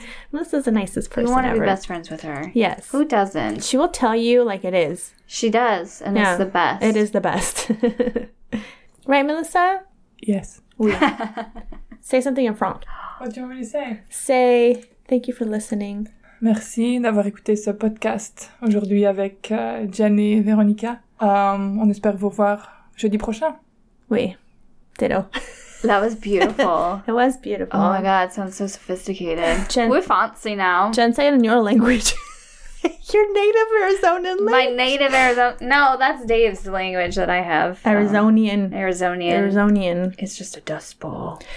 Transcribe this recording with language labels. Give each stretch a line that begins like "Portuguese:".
English: Melissa's the nicest person. You want to be best friends with her. Yes. Who doesn't? She will tell you like it is. She does, and yeah, it's the best. It is the best. Right, Melissa? Yes. Oui. Say something in front. What do you want me to say? Say thank you for listening.
French: Merci d'avoir écouté ce podcast aujourd'hui avec Jen et Veronica. On espère vous voir jeudi prochain.
English: Oui. Ditto. That was beautiful. It was beautiful. Oh my God, it sounds so sophisticated. We're fancy now. Jen, say it in your language. Your native Arizonan language. My native Arizona. No, that's Dave's language that I have. Arizonian. It's just a dust bowl.